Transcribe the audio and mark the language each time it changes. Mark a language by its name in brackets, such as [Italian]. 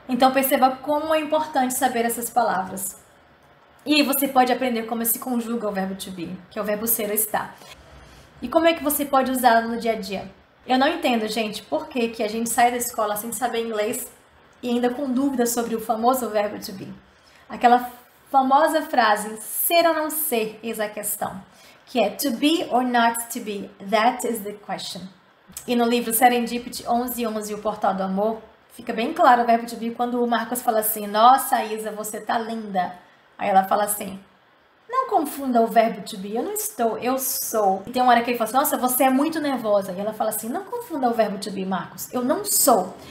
[Portuguese] Então, perceba como é importante saber essas palavras. E aí você pode aprender como se conjuga o verbo to be, que é o verbo ser ou estar. E como é que você pode usá-lo no dia a dia? Eu não entendo, gente, por que que a gente sai da escola sem saber inglês e ainda com dúvidas sobre o famoso verbo to be. Aquela famosa frase, ser ou não ser, [English] is a [Portuguese] questão. [English] Que é, to be or not to be, that is the question. [Portuguese] E no livro Serendipity 1111 e o Portal do Amor, fica bem claro o verbo to be quando o Marcos fala assim, nossa, Isa, você tá linda. Aí ela fala assim, não confunda o verbo to be, eu não estou, eu sou. E tem uma hora que ele fala assim, nossa, você é muito nervosa. E ela fala assim, não confunda o verbo to be, Marcos, eu não sou.